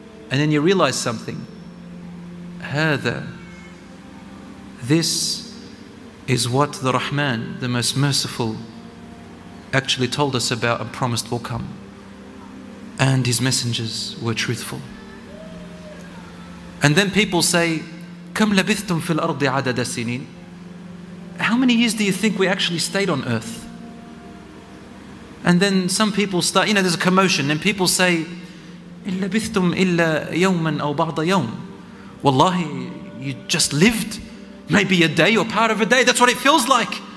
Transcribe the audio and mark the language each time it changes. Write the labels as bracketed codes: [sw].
[en] And then you realize something. Hatha. This is what the Rahman, the most merciful, actually told us about and promised will come. And his messengers were truthful. And then people say, [ar] كَمْ لَبِثْتُمْ فِي الْأَرْضِ عَدَدَ سِنِينَ. [en] How many years do you think we actually stayed on earth? And then some people start, you know, there's a commotion, and people say, [ar] إِلْ لَبِثْتُمْ إِلَّا يَوْمًا أَوْ بَعْضَ يَوْمٍ. [en] Wallahi, you just lived maybe a day or part of a day. That's what it feels like.